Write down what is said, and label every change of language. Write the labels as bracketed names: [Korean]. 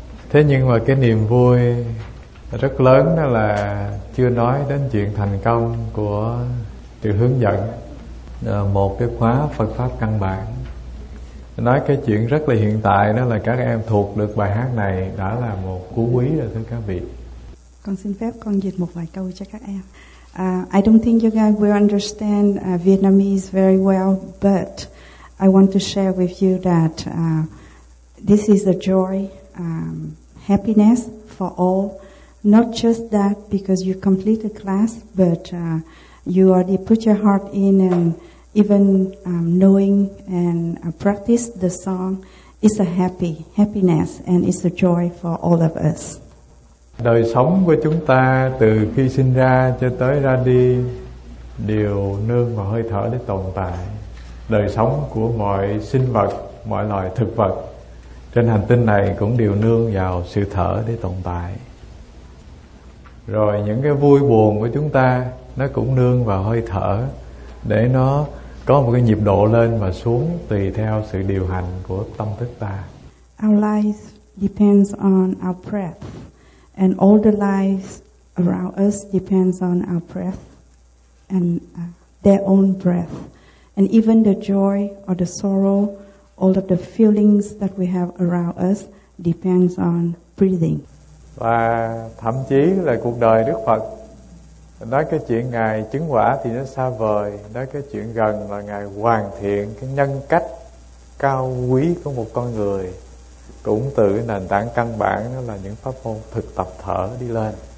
[Vietnamese] Thế nhưng mà cái niềm vui rất lớn đó là chưa nói đến chuyện thành công của sự hướng dẫn một cái khóa Phật pháp căn bản. Nói cái chuyện rất là hiện tại đó là các em thuộc được bài hát này đã là một cú quý rồi thưa các vị. Con xin phép con dịch một vài câu cho các em. [English] I don't think you guys will understand Vietnamese very well, but I want to share with you that this is a joy, happiness for all. Not just that because you complete a class, but you already put your heart in, and even knowing and practice the song is a happiness and it's a joy for all of us. [Vietnamese] Đời sống của chúng ta từ khi sinh ra cho tới ra đi đều nương vào hơi thở để tồn tại. Đời sống của mọi sinh vật, mọi loài thực vật trên hành tinh này cũng đều nương vào sự thở để tồn tại. Rồi những cái vui buồn của chúng ta nó cũng nương vào hơi thở để nó có một cái nhịp độ lên và xuống tùy theo sự điều hành của tâm thức ta. [English] Our life depends on our breath, and all the lives around us depends on our breath and their own breath. And even the joy or the sorrow, all of the feelings that we have around us depends on breathing. [Vietnamese] Và thậm chí là cuộc đời Đức Phật, nói cái chuyện Ngài chứng quả thì nó xa vời, nói cái chuyện gần là Ngài hoàn thiện cái nhân cách cao quý của một con người cũng từ cái nền tảng căn bản đó là những pháp môn thực tập thở đi lên.